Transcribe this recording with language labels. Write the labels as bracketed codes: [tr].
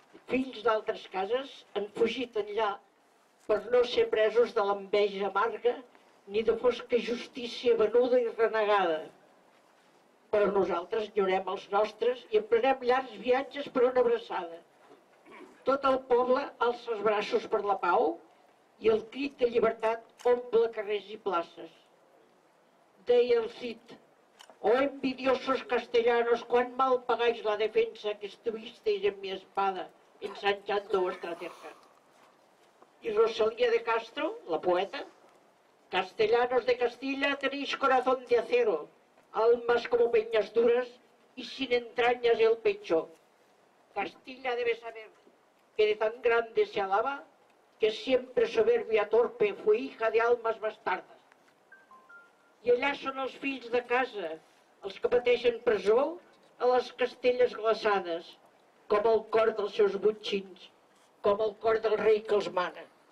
[ca] Fills d'altres cases han fugit enllà per no ser presos de l'enveja amarga ni de fosca justícia venuda i renegada. Però nosaltres lliurem els nostres i emprenem llargs viatges per una abraçada. Tot el poble alça els braços per la pau i el crit de llibertat omple carrers i places. Deia el Cid, [es] «Oh, envidiosos castellanos, quan mal pagáis la defensa que estuvisteis en mi espada, ensanchando vuestra cerca». [ca] I Rosalía de Castro, la poeta, [es] «Castellanos de Castilla, tenéis corazón de acero, almas como peñas duras y sin entrañas el pecho. Castilla debe saber que de tan grande se alaba que siempre soberbia torpe fue hija de almas bastardas». [ca] I allà són els fills de casa, els que pateixen presó a les castelles glaçades, com el cor dels seus butxins, com el cor del rei que els mana.